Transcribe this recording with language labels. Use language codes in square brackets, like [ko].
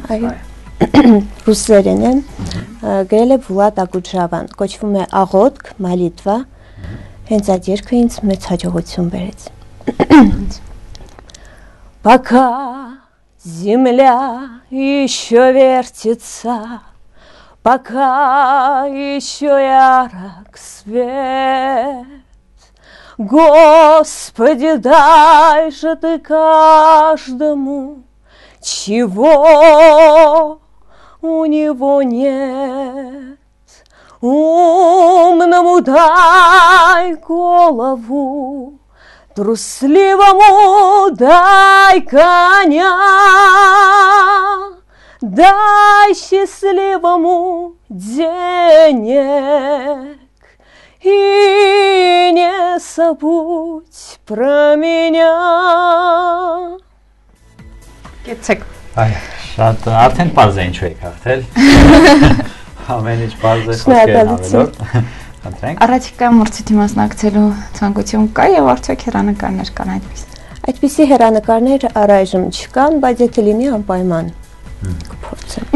[hy] Այո։ Ռուսերեն է, գրել է Վլադ Ագուջավան, կոչվում է Աղոտք, Մալիտվա։ Հենց այդ երգը ինձ մեծ հաջողություն բերեց։ [ru] Пока Земля еще вертится, пока еще ярок свет. Господи, дай же ты каждому, чего у него нет. Умному дай голову, трусливому дай коня, дай счастливому денег и не забудь про меня. [hy] Գիտեք, այ շատ արդեն բարձր ինչ էի հաղթել, ամեն ինչ բարձր խոսքեր։ Առաջիկա մրցույթի մասնակցելու ցանկություն կա եւ արդյոք հեռանկարներ կան այդպես։ Այդպիսի հեռանկարներ առայժմ չկան, բայց եթե լինի անպայման կփորձեմ։